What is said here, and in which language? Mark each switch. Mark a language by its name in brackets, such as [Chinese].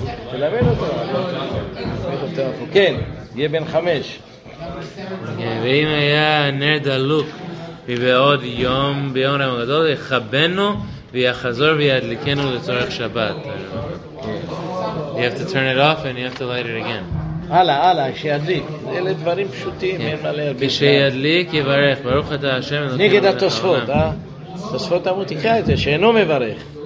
[Hebrew] תלמד אותו. תלמד אותו עפו. כן, יהיה בן חמש. ואם היה נר דלוק ובעוד יום, ביום רם הגדול, יחבנו ויחזור וידליקנו לצורך שבת. [English] You have to turn it off and you have to light it again. [Hebrew] הלאה, שידליק. אלה דברים פשוטים, אין מה להרבה. כשידליק יברך, ברוך אתה השם. נגד התוספות, תוספות עמוד תקרא את זה, שאינו מברך.